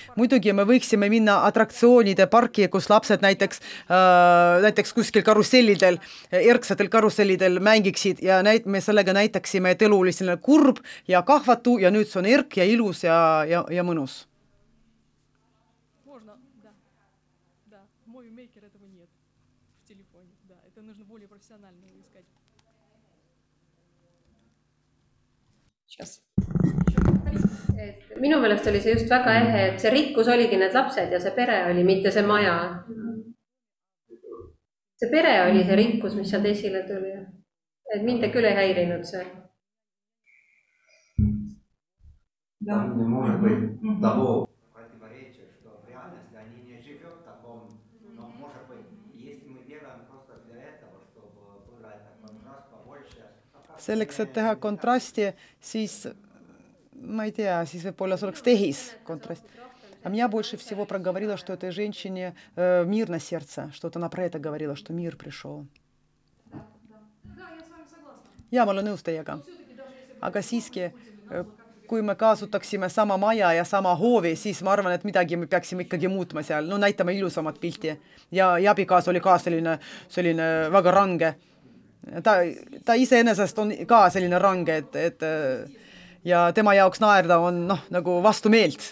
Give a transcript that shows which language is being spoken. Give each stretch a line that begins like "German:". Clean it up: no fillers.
Estonian: Muidugi me võiksime minna atraktsioonide parki, kus lapsed näiteks kuskil karusellidel, erksatel karusellidel mängiksid ja me sellega näitaksime, et elu oli selline kurb ja kahvatu ja nüüd see on erk ja ilus ja mõnus.
Russian: Можно, да. Да, movie maker этого нет в телефоне. Да, это нужно более профессионально искать. Сейчас.
Estonian: Minu meelest oli see just väga ehe, et see rikkus oligi need lapsed ja see pere oli mitte see maja. See pere oli see rikkus, mis seal esile tuli. Et mind küll ei häirinud see. Selleks, et teha kontrasti, siis ma ei tea, siis võib-olla see oleks tehis kontrast.
Russian: А меня больше всего проговорило, что этой женщине мир на сердце, что вот она про это говорила, что мир пришел. Да,
Estonian: ma olen nõus teiega. Aga siiski, kui me kaasutaksime sama maja ja sama hoovi, siis ma arvan, et midagi me peaksime ikkagi muutma seal. No näitame ilusamat pilti. Ja abikaas oli ka selline väga range. Ta ise enesest on ka selline range, et ja tema jaoks naerda on noh, nagu vastu meelt.